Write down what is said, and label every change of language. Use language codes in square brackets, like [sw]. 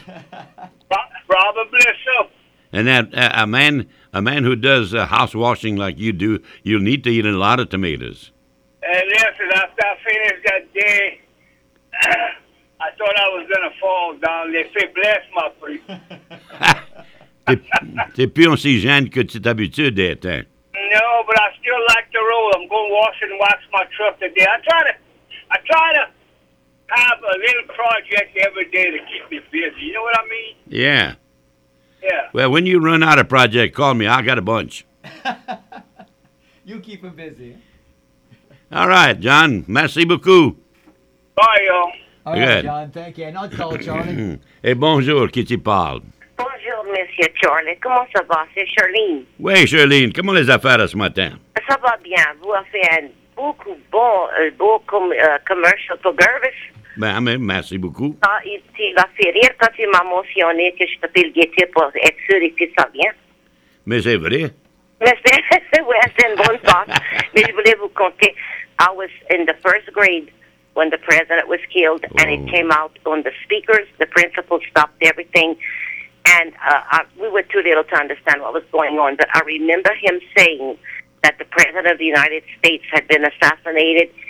[en] Probably so. And that a man who does house washing like you do, you'll need to eat a lot of tomatoes. And listen, after I finished that day, I thought I was going to fall down. They say, bless my friend. [fr] C'est plus aussi jeune que tu t'habitues d'être. [en] No, but I still like to roll. I'm going to wash and wax my truck today. I try to have a little project every day to keep me busy. You know what I mean? Yeah. Yeah. Well, when you run out of project, call me. I got a bunch. You keep him busy. All right, John. [fr] Merci beaucoup. [en] Bye, y'all. All right, good. John. Thank you. And I'll call Charlie. [fr] Et bonjour, qui tu parles? Bonjour, Monsieur Charlie. Comment ça va? C'est Charlene. Oui, Charlene. Comment les affaires ce matin? Ça va bien. Vous avez un beaucoup bon, beau commercial pour Gervais. Ben, merci beaucoup. Ça, tu l'as fait rire quand tu m'as mentionné que je t'appelle Gaëtan pour être sûr que ça vient. Mais c'est vrai. Mais c'est vrai, c'est une bonne chose. Mais je voulais vous conter, [en] I was in the first grade when the president was killed, oh. And it came out on the speakers, the principal stopped everything, and we were too little to understand what was going on, but I remember him saying that the president of the United States had been assassinated.